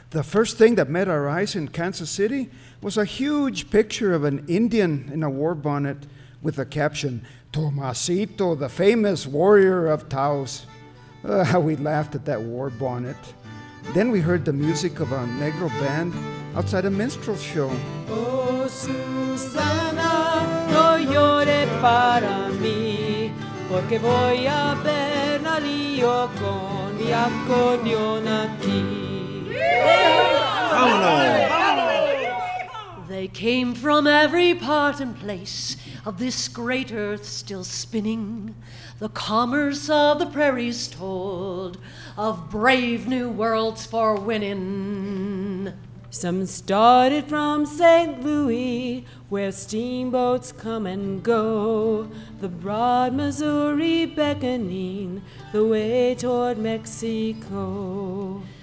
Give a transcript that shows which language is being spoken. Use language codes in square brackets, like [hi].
[en] The first thing that met our eyes in Kansas City was a huge picture of an Indian in a war bonnet with the caption, Tomasito, the famous warrior of Taos. How we laughed at that war bonnet. Then we heard the music of a negro band outside a minstrel show. [es] Oh, Susana, no llore para mí, porque voy a ver al lío con mi acordeón aquí. [en] They came from every part and place of this great earth still spinning. The commerce of the prairies told of brave new worlds for winning. Some started from St. Louis, where steamboats come and go, the broad Missouri beckoning the way toward Mexico.